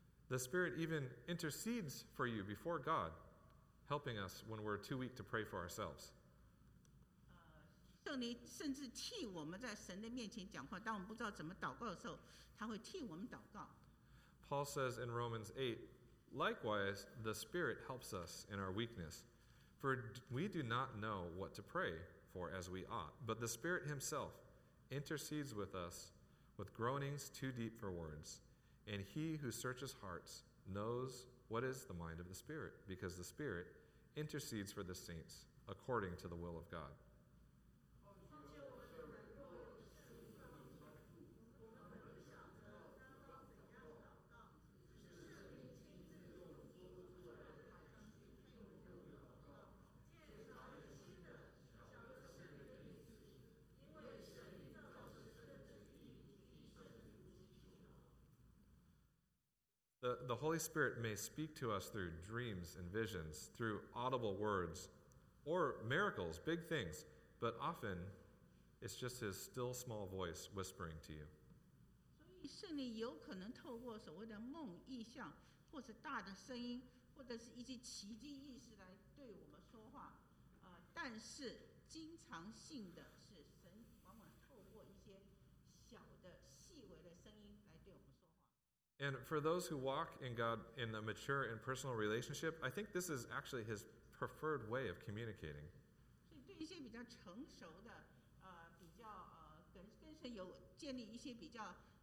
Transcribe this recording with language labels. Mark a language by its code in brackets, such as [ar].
[en] The Spirit even intercedes for you before God, helping us when we're too weak to pray for ourselves. [zh] 圣灵甚至替我们在神的面前讲话，当我们不知道怎么祷告的时候，他会替我们祷告。 [en] Paul says in Romans 8, "Likewise, the Spirit helps us in our weakness, for we do not know what to pray for as we ought, but the Spirit Himself intercedes with us with groanings too deep for words. And He who searches hearts knows what is the mind of the Spirit, because the Spirit intercedes for the saints according to the will of God." The Holy Spirit may speak to us through dreams and visions, through audible words, or miracles, big things, but often it's just his still small voice whispering to you. [zh] 圣灵有可能透过所谓的梦、异象， 或者大的声音， 或者是一些奇迹意识来对我们说话， 但是经常性的是神往往透过一些小的细微的声音来对我们说话。 [en] And for those who walk in God in a mature and personal relationship, I think this is actually his preferred way of communicating. [zh] 所以对一些比较成熟的， 比较跟神有建立一些比较